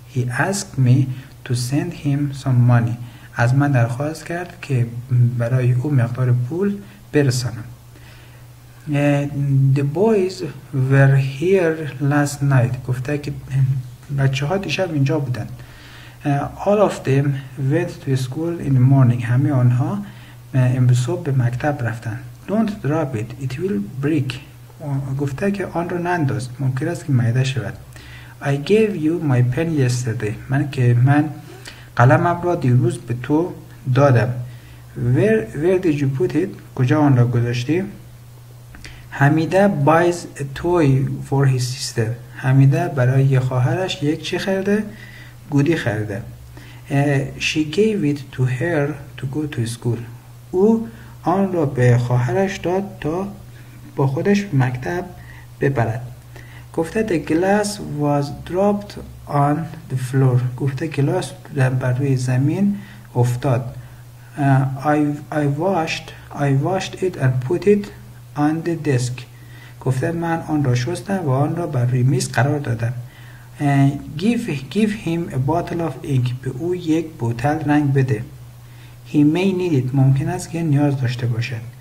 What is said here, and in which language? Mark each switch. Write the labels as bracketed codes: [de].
[en] He asked me to send him some money. [fa] از من درخواست کرد که برای او مقدار پول برسانم. [en] The boys were here last night. [fa] گفته که بچه ها دیشب اینجا بودن. [en] All of them went to school in the morning. [fa] همه آنها امروز صبح به مکتب رفتن. [en] Don't drop it. It will break. [fa] گفته که آن رو ننداز. ممکن است که معده شود. [en] I gave you my pen yesterday. [fa] من قلمم را دیروز به تو دادم. [en] Where did you put it? [fa] کجا آن را گذاشتی؟ [en] Hamideh buys a toy for his sister. [fa] حمیده برای خواهرش یک چی خریده؟ گودی خریده. [en] She gave it to her to go to school. [fa] او آن را به خواهرش داد تا با خودش به مکتب ببرد. [en] گفته the glass was dropped on the floor. [fa] گفته گلاس بر روی زمین افتاد. [en] I washed it and put it on the desk. [fa] گفته من آن را شستم و آن را بر روی میز قرار دادم. [en] Give him a bottle of ink. [fa] به او یک بوتل رنگ بده. [en] He may need it. [fa] ممکن است که نیاز داشته باشد.